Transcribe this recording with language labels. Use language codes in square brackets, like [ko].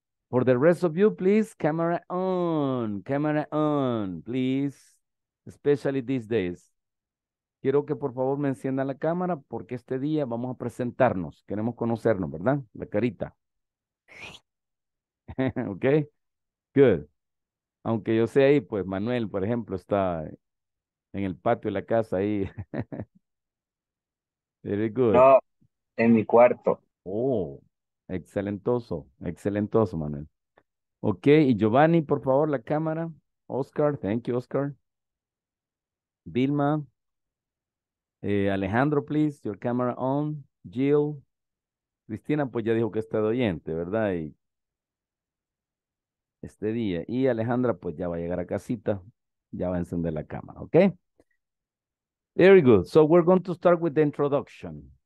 [en] For the rest of you, please, camera on. Camera on, please. Especially these days. [es] Quiero que por favor me encienda la cámara porque este día vamos a presentarnos. Queremos conocernos, ¿verdad? La carita. [en] Ok. Good. [es] Aunque yo sea ahí, pues Manuel, por ejemplo, está en el patio de la casa ahí. [en] Very good. [es] No, en mi cuarto. Oh, excelentoso. Excelentoso, Manuel. Ok. Y Giovanni, por favor, la cámara. Oscar, [en] thank you, [es] Oscar. Vilma. [en] Alejandro, please, your camera on. Jill. [es] Cristina, pues ya dijo que está de oyente, ¿verdad? Y este día. Y Alejandra, pues ya va a llegar a casita. Ya va a encender la cámara, ¿ok? [en] Very good. So we're going to start with the introduction.